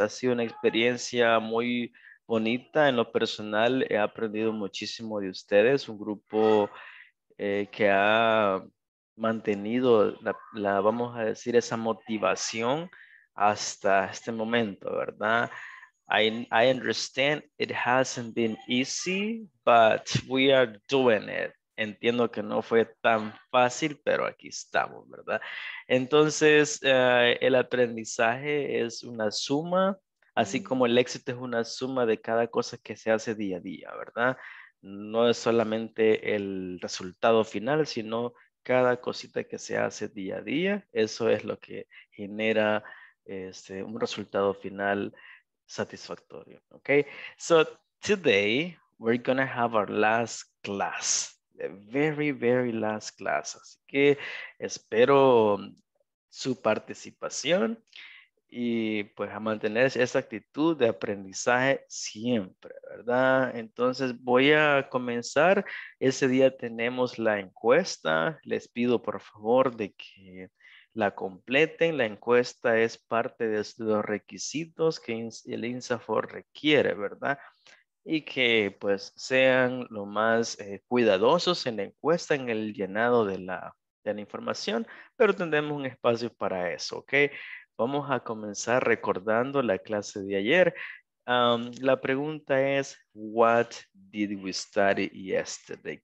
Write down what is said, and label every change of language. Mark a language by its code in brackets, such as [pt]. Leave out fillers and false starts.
[es] Ha sido una experiencia muy bonita. En lo personal, he aprendido muchísimo de ustedes. Un grupo que ha mantenido la vamos a decir esa motivación hasta este momento, ¿verdad? [en] I understand it hasn't been easy, but we are doing it. [es] Entiendo que no fue tan fácil, pero aquí estamos, ¿verdad? Entonces, el aprendizaje es una suma, así como el éxito es una suma de cada cosa que se hace día a día, ¿verdad? No es solamente el resultado final, sino cada cosita que se hace día a día, eso es lo que genera un resultado final satisfactorio, okay? [en] So today we're gonna have our last class, the very, very last class. [es] Así que espero su participación y pues a mantener esa actitud de aprendizaje siempre, ¿verdad? Entonces voy a comenzar. Ese día tenemos la encuesta. Les pido por favor de que la completen. La encuesta es parte de los requisitos que el INSAFOR requiere, ¿verdad? Y que pues sean lo más cuidadosos en la encuesta, en el llenado de la información. Pero tendremos un espacio para eso, ¿ok? Vamos a comenzar recordando la clase de ayer. La pregunta es, [en] what did we study yesterday?